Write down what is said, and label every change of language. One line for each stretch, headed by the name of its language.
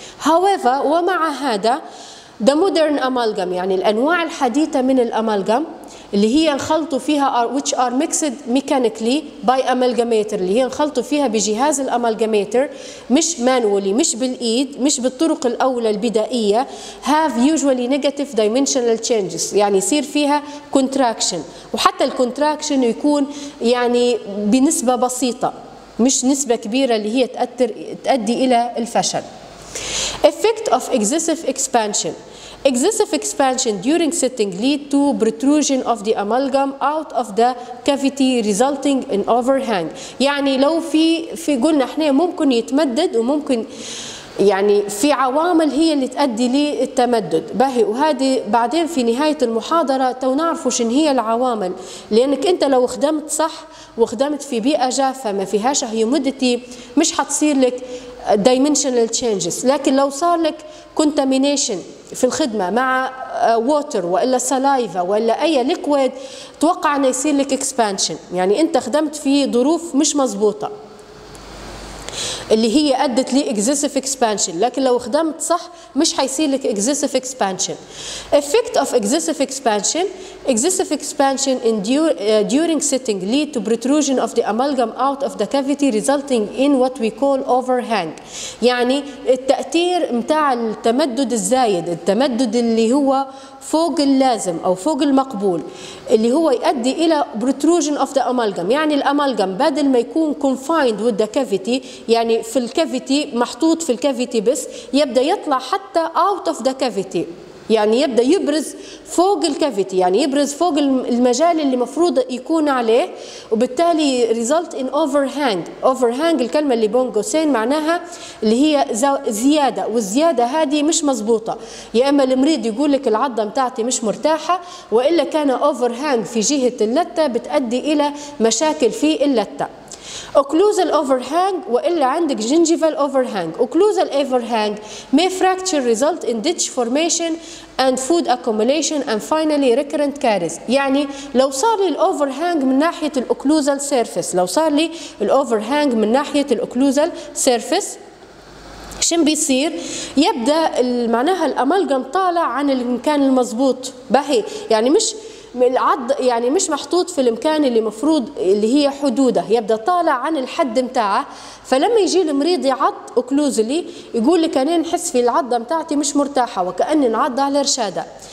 Arabic: هاويفر ومع هذا
English: The modern amalgam
Arabic: يعني الأنواع الحديثة من الأمالجام اللي هي انخلطوا فيها
English: which are mixed mechanically by amalgamator
Arabic: اللي هي انخلطوا فيها بجهاز الأمالجاميتر مش مانولي مش بالإيد مش بالطرق الأولى البدائية
English: have usually negative dimensional changes
Arabic: يعني يصير فيها contraction وحتى الكونتراكشن يكون يعني بنسبة بسيطة مش نسبة كبيرة اللي هي تؤدي إلى الفشل.
English: Effect of excessive expansion. Excessive expansion during sitting lead to protrusion of the amalgam out of the cavity resulting in overhang.
Arabic: يعني لو في قلنا احنا ممكن يتمدد وممكن يعني في عوامل هي اللي تؤدي للتمدد باهي، وهذه بعدين في نهاية المحاضرة تو نعرفوا شن هي العوامل، لأنك أنت لو خدمت صح وخدمت في بيئة جافة ما فيهاش humidity مش حتصير لك dimensional changes، لكن لو صار لك contamination في الخدمة مع water وإلا saliva وإلا أي liquid توقع أن يصير لك expansion، يعني أنت خدمت في ظروف مش مزبوطة اللي هي أدت لي excessive expansion، لكن لو خدمت صح مش حيصير لك excessive expansion.
English: Effect of excessive expansion. Excessive expansion in during sitting lead to protrusion of the amalgam out of the cavity resulting in what we call overhang.
Arabic: يعني التأثير متاع التمدد الزايد، التمدد اللي هو فوق اللازم أو فوق المقبول اللي هو يؤدي إلى
English: protrusion of the amalgam،
Arabic: يعني الأمالجام بدل ما يكون
English: confined with the cavity
Arabic: يعني في الكافيتي محطوط في الكافيتي بس يبدأ يطلع حتى
English: out of the cavity
Arabic: يعني يبدأ يبرز فوق الكافيتي يعني يبرز فوق المجال اللي مفروض يكون عليه وبالتالي
English: result in overhang.
Arabic: Overhang الكلمة اللي بون قوسين معناها اللي هي زيادة، والزيادة هذه مش مزبوطة، يا إما المريض يقول لك العضة متاعتي مش مرتاحة وإلا كان overhang في جهة اللتة بتأدي إلى مشاكل في اللتة.
English: Occlusal overhang
Arabic: وإلا عندك
English: gingival overhang. Occlusal overhang may fracture result in ditch formation and food accumulation and finally recurrent caries.
Arabic: يعني لو صار لي الoverhang من ناحية الocclusal surface، لو صار لي الoverhang من ناحية الocclusal surface شن بيصير؟ يبدأ معناها الأمالجام طالع عن المكان المزبوط باهي، يعني مش العض يعني مش محطوط في المكان اللي مفروض اللي هي حدوده، يبدا طالع عن الحد متاعه، فلما يجي المريض يعض اوكلوزلي يقول لك انا نحس في العضه متاعتي مش مرتاحه وكاني نعض على رشاده.